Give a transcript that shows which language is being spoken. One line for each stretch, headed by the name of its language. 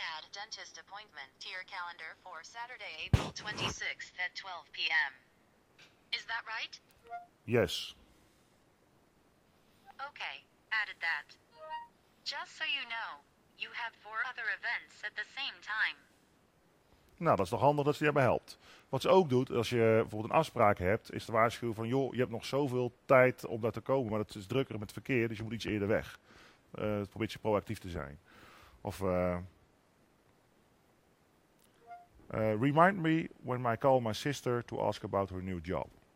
English: Dentist appointment to your calendar for Saturday, April 26th at 12 p.m. Is that right? Yes. Okay, added that. Just so you know, you have four other events at the same time.
Dutch: Nou, dat is toch handig dat ze je erbij helpt. Wat ze ook doet, als je bijvoorbeeld een afspraak hebt, is de waarschuwing van, joh, je hebt nog zoveel tijd om daar te komen, maar het is drukker met verkeer, dus je moet iets eerder weg. Het probeert je proactief te zijn.
English: Of, remind me when I call my sister to ask about her new job.